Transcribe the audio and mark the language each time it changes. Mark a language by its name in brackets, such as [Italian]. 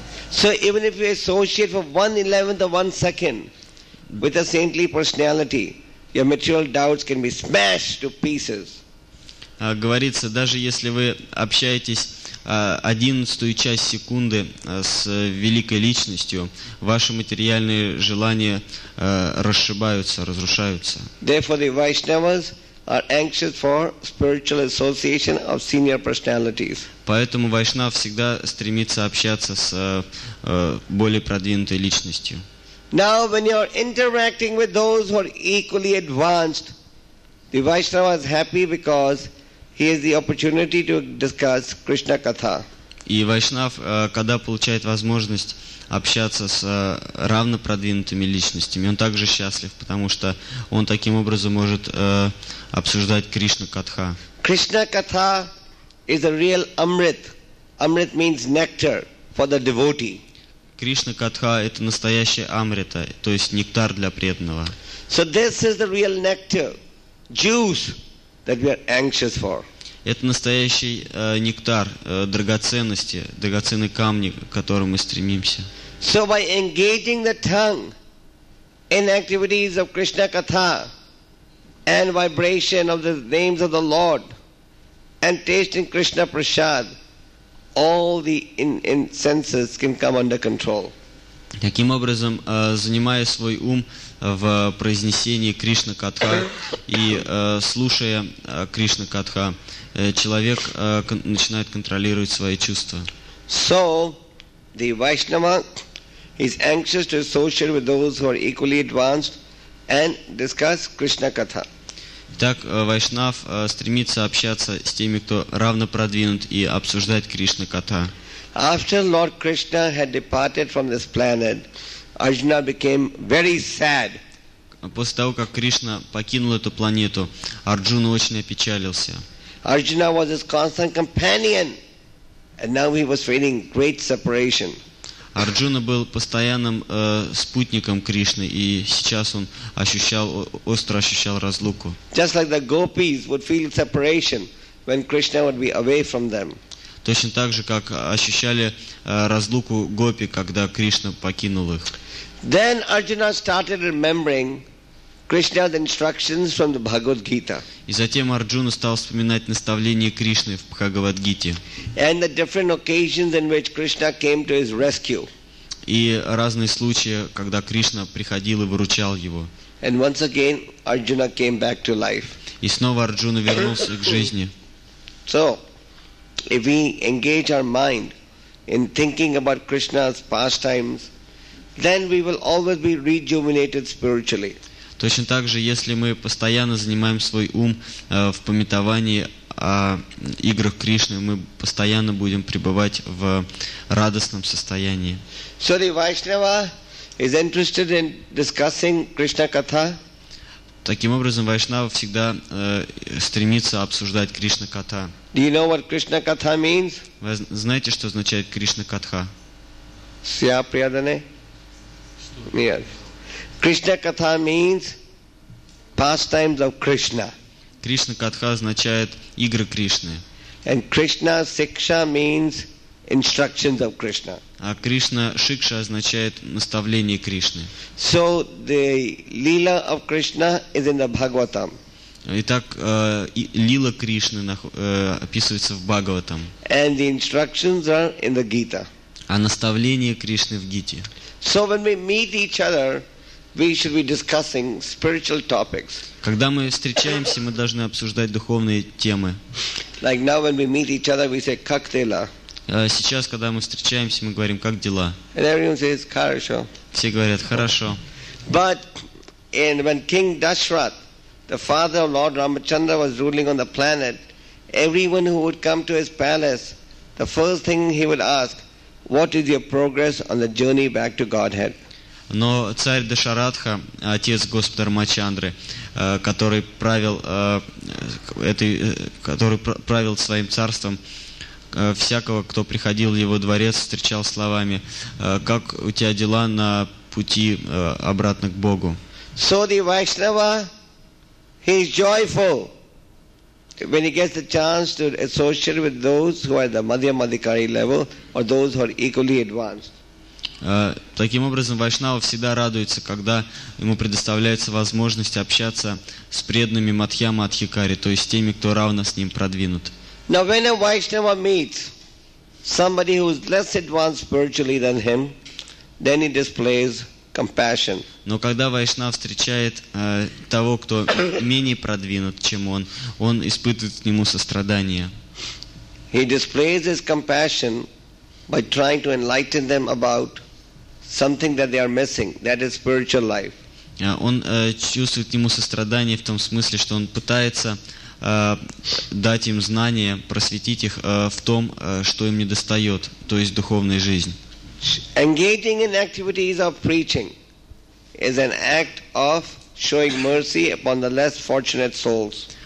[English] So even if you associate for 1/11 of 1 second with a saintly personality, your material doubts can be smashed to pieces. [Russian] Говорится, даже если вы общаетесь 1/11 секунды с великой личностью, ваши материальные желания расшибаются, разрушаются. [English] Therefore, the Vaishnavas are anxious for spiritual association of senior personalities. [Russian] Поэтому Вайшнав всегда стремится общаться с более продвинутой личностью. [English] Now, when you are interacting with those who are equally advanced, the Vaishnava is happy because he has the opportunity to discuss Krishna Katha. [Russian] И Вайшнав, когда получает возможность общаться с равнопродвинутыми личностями, он также счастлив, потому что он таким образом может обсуждать Кришна Катха. [English] Krishna Katha is a real amrit. Amrit means nectar for the devotee. [Russian] Кришна Катха – это настоящая амрита, то есть нектар для преданного. [English] So this is the real nectar, juice that we are anxious for. [Russian] Это настоящий нектар, драгоценности, драгоценные камни, к которым мы стремимся. [English] So by engaging the tongue in activities of Krishna Katha and vibration of the names of the Lord and tasting Krishna Prasad, all the in senses can come under control. [Russian] Таким образом, занимая свой ум в произнесении Кришна Катха и слушая Кришна Катха, человек начинает контролировать свои чувства. [English] So, the Vaishnava is anxious to associate with those who are equally advanced and discuss Krishna Katha. [Russian] Итак, Вайшнав стремится общаться с теми, кто равно продвинут, и обсуждать Кришна Катха. [English] After Lord Krishna had departed from this planet, Arjuna became very sad. [Russian] После того, как Кришна покинул эту планету, Арджуна очень опечалился. [English] Arjuna was his constant companion, and now he was feeling great separation. [Russian] Арджуна был постоянным спутником Кришны, и сейчас он ощущал, остро ощущал разлуку. [English] Just like the gopis would feel separation when Krishna would be away from them. [Russian] Точно так же, как ощущали разлуку гопи, когда Кришна покинул их. [English] Then Arjuna started remembering Krishna's instructions from the Bhagavad Gita. [Russian] И затем Арджуна стал вспоминать наставления Кришны в Бхагавадгите. [English] And the different occasions in which Krishna came to his rescue. [Russian] И разные случаи, когда Кришна приходил и выручал его. [English] And once again Arjuna came back to life. [Russian] И снова Арджуна вернулся к жизни. [English] So, if we engage our mind in thinking about Krishna's pastimes, then we will always be rejuvenated spiritually. [Russian] Точно так же, если мы постоянно занимаем свой ум в памятовании о играх Кришны, мы постоянно будем пребывать в радостном состоянии. [English] So the Vaishnava is interested in discussing Krishna Katha. [Russian] Таким образом, Вайшнава всегда стремится обсуждать Кришна Катха. [English] Do you know what Krishna Katha means? [Russian] Вы знаете, что означает Кришна Катха? Сия преданы? Нет. [English] Krishna Katha means pastimes of Krishna. [Russian] Krishna Katha означает игры Кришны. [English] And Krishna Siksha means instructions of Krishna. [Russian] А Krishna Shiksha означает наставление Кришны. [English] So the Leela of Krishna is in the Bhagavatam. [Russian] Итак, Лила Кришны описывается в Бхагаватам. [English] And the instructions are in the Gita. [Russian] А наставление Кришны в Гите. [English] So when we meet each other, we should be discussing spiritual topics. [Russian] Когда мы встречаемся, мы должны обсуждать духовные темы. [English] Like now when we meet each other, we say, [Russian] как дела? Сейчас, когда мы встречаемся, мы говорим, как дела? [English] And everyone says, [Russian] хорошо. Все говорят, хорошо. [English] But and when King Dashrath, the father of Lord Ramachandra, was ruling on the planet, everyone who would come to his palace, the first thing he would ask, what is your progress on the journey back to Godhead? [Russian] Но царь Дашаратха, отец Господа Рамачандры, который правил своим царством, всякого, кто приходил в его дворец, встречал словами: «Как у тебя дела на пути обратно к Богу?» [English] So the Vaishnava, he's joyful when he gets the chance to associate with those who are the Madhya Madhikari level or those who are equally advanced. [Russian] Таким образом, Вайшнава всегда радуется, когда ему предоставляется возможность общаться с преданными Мадхьяма Адхикари, то есть теми, кто равно с ним продвинут. [English] Now, when a Vaishnava meets somebody who is less advanced spiritually than him, then he displays compassion. [Russian] Но когда Вайшнав встречает того, кто менее продвинут, чем он испытывает к нему сострадание. [English] He displays his compassion by trying to enlighten them about something that they are missing, that is spiritual life. [Russian] Он чувствует к нему сострадание в том смысле, что он пытается дать им знания, просветить их в том, что им недостает, то есть духовная жизнь. [English] Engaging in activities of preaching is an act of showing mercy upon the less fortunate souls.